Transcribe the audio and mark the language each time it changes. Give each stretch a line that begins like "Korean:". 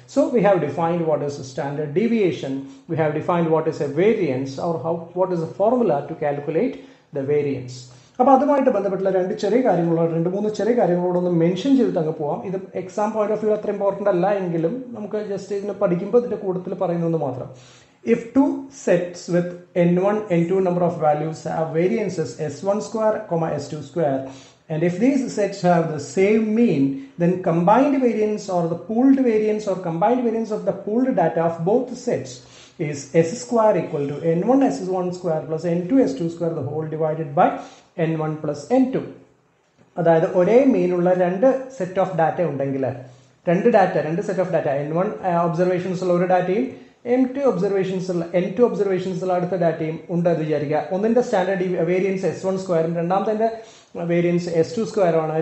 English: So we have defined what is a standard deviation, we have defined what is a variance or how what is a formula to calculate the variance.
Malayalam: അപ്പോൾ അതുമായിട്ട് ബന്ധപ്പെട്ടുള്ള രണ്ട് ചെറിയ കാര്യങ്ങളോട്, രണ്ട് മൂന്ന് ചെറിയ കാര്യങ്ങളോട് ഒന്ന് മെൻഷൻ ചെയ്തിട്ട് അങ്ങ് പോവാം. ഇത്
English: exam point of view
Malayalam: അത്ര ഇമ്പോർട്ടൻ്റ് അല്ല എങ്കിലും നമുക്ക് ജസ്റ്റ് ഇതിന് പഠിക്കുമ്പോൾ ഇതിൻ്റെ കൂടുതൽ പറയുന്നത് മാത്രം.
English: If two sets with n1, n2 number of values have variances s1 square, s2 square, and if these sets have the same mean, then combined variance or the pooled variance or combined variance of the pooled data of both sets is s square equal to n1 s1 square plus n2 s2 square the whole divided by n1 plus n2.
Malayalam: അതായത് ഒരേ മീൻ ഉള്ള രണ്ട് set of data ഉണ്ടെങ്കിൽ, രണ്ട് set of data n1 observations ഉള്ള ഒരു ഡാറ്റയും n2 ഒബ്സർവേഷൻസുള്ള അടുത്ത ഡാറ്റയും ഉണ്ട് എന്ന് വിചാരിക്കുക. ഒന്നിൻ്റെ സ്റ്റാൻഡേർഡ് വേരിയൻസ് s1 സ്ക്വയറും രണ്ടാമത്തെ വേരിയൻസ് s2 സ്ക്വയറുമാണ്.